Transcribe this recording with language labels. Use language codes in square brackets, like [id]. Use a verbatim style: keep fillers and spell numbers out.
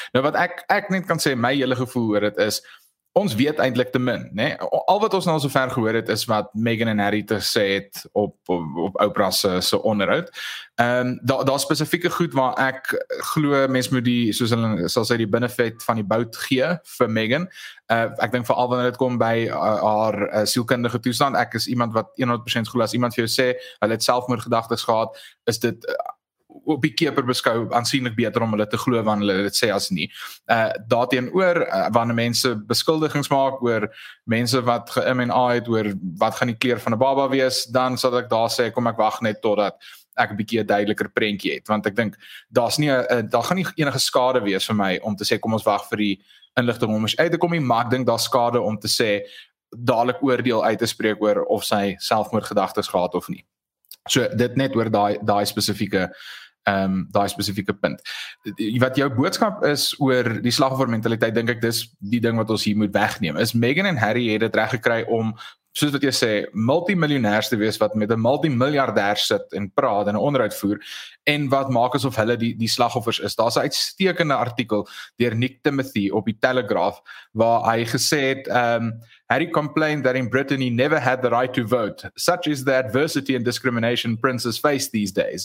[af] Nou wat ek, ek net kan sê, my hele gevoel oor dit is, ons weet eintlik te min, né? Al wat ons nou so ver gehoor het, is wat Meghan en Harry te sê het op, op, op Oprah se, se onderhoud. Um, daar da spesifieke goed waar ek glo, mens moet die, soos hulle, sal sy die benefit van die bout gee vir Meghan. Uh, ek dink veral wanneer dit kom by uh, haar uh, sielkundige toestand. Ek is iemand wat honderd persent glo, as iemand vir jou sê, hulle het selfmoordgedagtes gehad, is dit... Uh, op die keper beskou, aansienlik beter om hulle te glo wanneer hulle dit sê as nie. Uh, daarteenoor, uh, wanneer mense beskuldigings maak oor mense wat ge-M N A het, oor wat gaan die kleur van 'n baba wees, dan sal ek daar sê, kom ek wag net totdat ek 'n bietjie 'n duideliker prentjie het, want ek dink, daar's nie 'n daar gaan nie enige skade wees vir my om te sê, kom ons wag vir die inligting om ons uit te kom nie, maar ek dink daar's skade om te sê, dadelik oordeel uit te spreek oor of sy selfmoordgedagtes gehad of nie. So dit net oor daai daai spesifieke ehm um, daai spesifieke punt. Wat jou boodskap is oor die slagoffermentaliteit, dink ek dis die ding wat ons hier moet wegneem. Is Meghan en Harry het dit reg gekry om, soos wat jy sê, multimiljonêers te wees wat met 'n multimiljardêr sit en praat en 'n onderhoud voer, en wat maak asof hulle die, die slagoffers is. Daar's 'n uitstekende artikel deur Nick Timothy op die Telegraph waar hy gesê het, ehm um, [en] Harry complained that in Britain he never had the right to vote. Such is the adversity and discrimination princes face these days.